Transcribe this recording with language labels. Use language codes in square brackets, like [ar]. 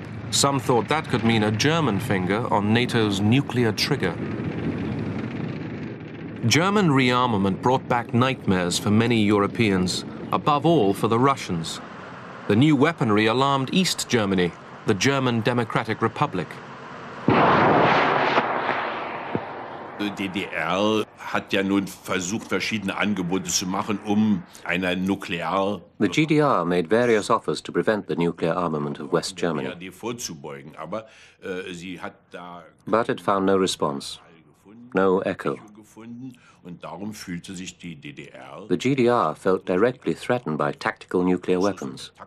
[en] Some thought that could mean a German finger on NATO's nuclear trigger. German rearmament brought back nightmares for many Europeans, above all for the Russians. The new weaponry alarmed East Germany, the German Democratic Republic. [de] Die DDR hat ja nun versucht, verschiedene Angebote zu machen, eine nuklear... [en] The GDR made various offers to prevent the nuclear armament of West Germany. But it found no response, no echo. The GDR felt directly threatened by tactical nuclear weapons.